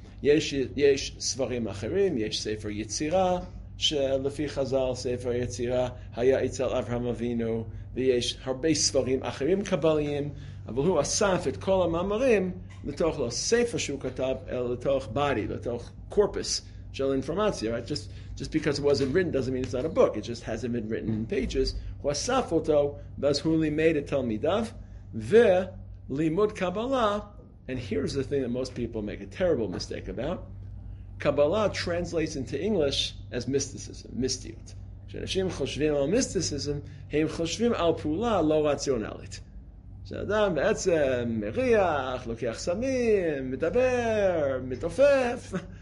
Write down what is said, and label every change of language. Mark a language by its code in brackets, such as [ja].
[he] יש ספרים אחרים, יש ספר יצירה, שלפי חז"ל ספר יצירה היה אצל אברהם אבינו, ויש הרבה ספרים אחרים קבליים, אבל הוא אסף את כל המאמרים לתוך לא ספר שהוא כתב, אלא לתוך body, לתוך corpus של אינפורמציה, right? [en] Just because it wasn't written doesn't mean it's not a book, it just hasn't been written in pages. [he] הוא אסף אותו, ואז הוא לימד את תלמידיו, ולימוד קבלה, and here's the thing that most people make a terrible mistake about, Kabbalah translates into English as mysticism, mystiut. כשאנשים חושבים על מיסטיסיזם, הם חושבים על פעולה לא רציונלית. שאדם בעצם מריח, לוקח סמים, מדבר, מתופף.